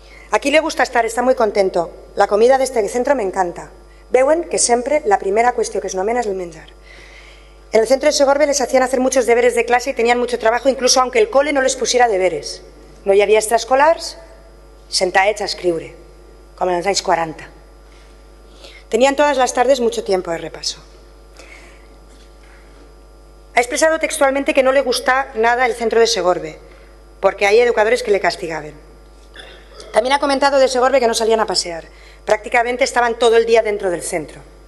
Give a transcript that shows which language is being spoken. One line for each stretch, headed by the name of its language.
Spanish: Aquí le gusta estar, está muy contento. La comida de este centro me encanta.
Catalan: Veuen que
Spanish: siempre la primera cuestión que es nomena es el menjar. En el centro de Segorbe les hacían hacer muchos deberes de clase y tenían mucho trabajo, incluso aunque el cole no les pusiera deberes.
Catalan: No hi havia extraescolars, sentaets a escriure, com en els anys 40.
Spanish: Tenían todas las tardes mucho tiempo de repaso. Ha expresado textualmente que no le gusta nada el centro de Segorbe, porque hay educadores que le castigaban. También ha comentado de Segorbe que no salían a pasear. Prácticamente estaban todo el día dentro del centro.